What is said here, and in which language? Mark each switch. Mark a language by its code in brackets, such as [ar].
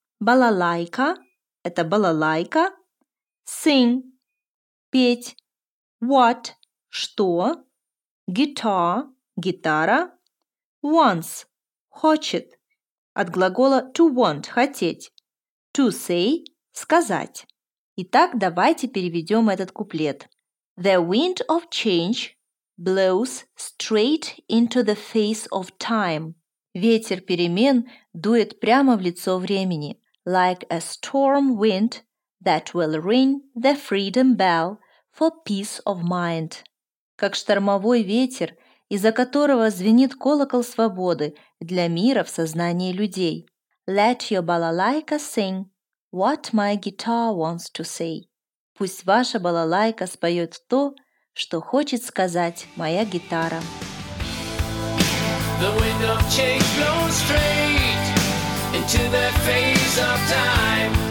[ru] Балалайка – это балалайка, sing – петь, what – что, guitar – гитара, wants – хочет. От глагола to want – хотеть, to say – сказать. Итак, давайте переведем этот куплет. [en] The wind of change blows straight into the face of time. [ru] Ветер перемен дует прямо в лицо времени. [en] Like a storm wind that will ring the freedom bell for peace of mind. [ru] Как штормовой ветер, из-за которого звенит колокол свободы для мира в сознании людей. [en] Let your balalaika sing what my guitar wants to say. [ru] Пусть ваша балалайка споет то, что хочет сказать моя гитара. [en] The wind The wind of change blows straight into that phase of time.